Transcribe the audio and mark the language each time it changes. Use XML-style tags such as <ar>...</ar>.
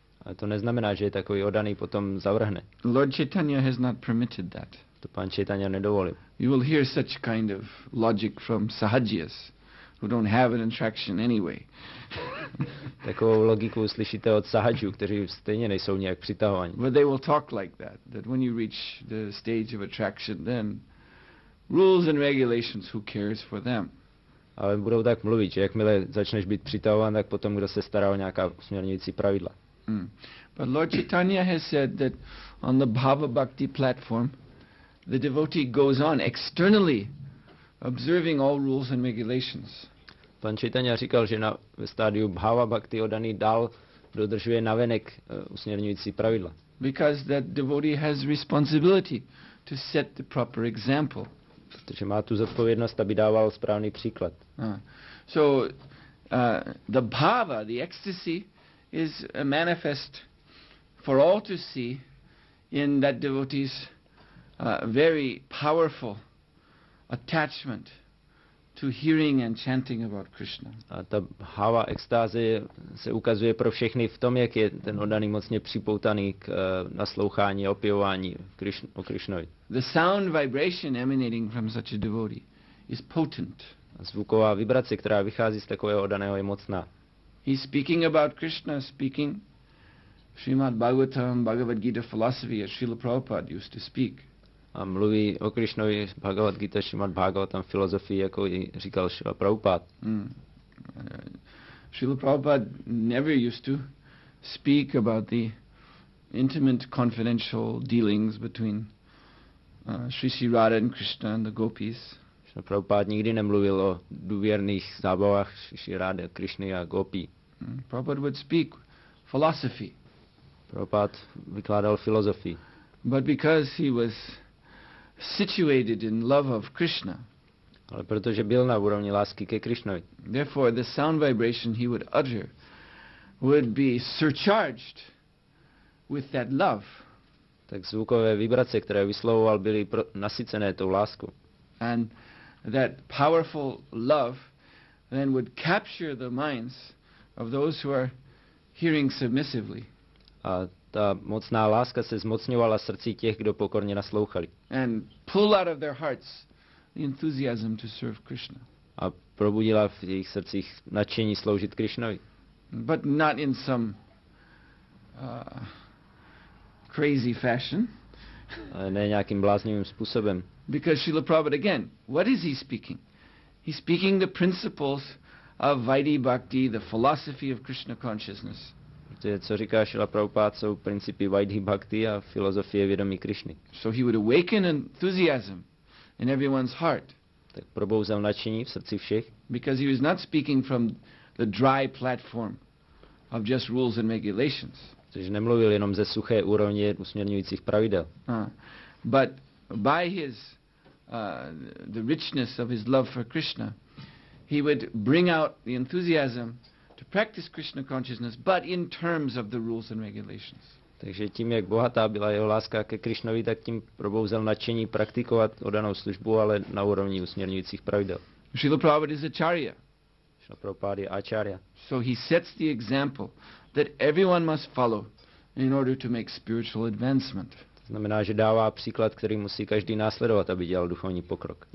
<cs>A to neznamená, že takový oddaný potom zavrhne.</cs> <en>Lord Chaitanya has not permitted that.</en> <cs>To pan Chaitanya nedovolil.</cs> <en>You will hear such kind of logic from sahajiyas who don't have an attraction anyway.</en> <cs>Takovou logiku slyšíte od sahajů, kteří stejně nejsou nějak přitahovaní.</cs> <en>But they will talk like that, that when you reach the stage of attraction, then rules and regulations, who cares for them?</en> <cs>Ale budou tak mluvit, že jakmile začneš být přitahován, tak potom kdo se stará o nějaká usměrňující pravidla.</cs> <en>But Lord Chaitanya has said that on the bhava bhakti platform, the devotee goes on externally observing all rules and regulations.</en> <cs>Pan Chaitanya říkal, že ve stádiu bhava bhakti oddaný dál dodržuje navenek usměrňující pravidla.</cs> <en>Because that devotee has responsibility to set the proper example.</en> <cs>Protože má tu zodpovědnost, aby dával správný příklad.</cs> <en>So the bhava, the ecstasy, is manifest for all to see in that devotee's very powerful attachment to hearing and chanting about Krishna.</en> <cs>A ta bhava extáze se ukazuje pro všechny v tom, jak je ten oddaný mocně připoutaný k naslouchání, opěvování o Krishnovi.</cs> <en>The sound vibration emanating from such a devotee is potent.</en> <cs>Zvuková vibrace, která vychází z takového oddaného, je mocná.</cs> <en>He's speaking about Krishna, speaking Srimad Bhagavatam, Bhagavad Gita philosophy, as Srila Prabhupada used to speak.</en> <cs>A mluví o Krishnovi, Bhagavad Gita, Srimad Bhagavatam filozofii, jako ji říkal Srila Prabhupada.</cs> <en>Srila Prabhupada never used to speak about the intimate confidential dealings between Sri Sri Radha and Krishna and the gopis.</en> <cs>Srila Prabhupada nikdy nemluvil o důvěrných zábavách Sri Sri Radha, Krishny a gopí.</cs> <en>Prabhupada would speak philosophy.</en> <cs>Prabhupada vykládal filozofii.</cs> <en>But because he was situated in love of Krishna.</en> <cs>Ale protože byl na úrovni lásky ke Krishnovi.</cs> <en>Therefore the sound vibration he would utter would be surcharged with that love.</en> <cs>Tak zvukové vibrace, které vyslovoval, byly nasycené tou láskou.</cs> <en>And that powerful love then would capture the minds of those who are hearing submissively.</en> <cs>A ta mocná láska se zmocňovala srdcí těch, kdo pokorně naslouchali.</cs> <en>And pull out of their hearts the enthusiasm to serve Krishna.</en> <cs>A probudila v jejich srdcích nadšení sloužit Krishnovi.</cs> <en>But not in some crazy fashion.</en> <cs>Ne nějakým bláznivým způsobem.</cs> <en>Because Srila Prabhupada, again, what is he speaking? He's speaking the principles of Vaidhi Bhakti, the philosophy of Krishna consciousness.</en> <cs>Co říká Srila Prabhupada, jsou principy Vaidhi Bhakti a filozofie vědomí Krishny.</cs> <en>So he would awaken enthusiasm in everyone's heart.</en> <cs>Tak probouzal nadšení v srdci všech.</cs> <en>Because he was not speaking from the dry platform of just rules and regulations.</en> <cs>Protože nemluvil jenom ze suché úrovně usměrňujících pravidel.</cs> <en>But by his the richness of his love for Krishna, he would bring out the enthusiasm to practice Krishna consciousness, but in terms of the rules and regulations.</en> <cs>Takže tím, jak bohatá byla jeho láska ke Krishnovi, tak tím probouzel nadšení praktikovat oddanou službu, ale na úrovni usměrňujících pravidel.</cs> <en>Srila Prabhupada is acharya.</en> <cs>Srila Prabhupada je acharya.</cs> <en>So he sets the example that everyone must follow in order to make spiritual advancement.</en> <cs>To znamená, že dává příklad, který musí každý následovat, aby dělal duchovní pokrok.</cs>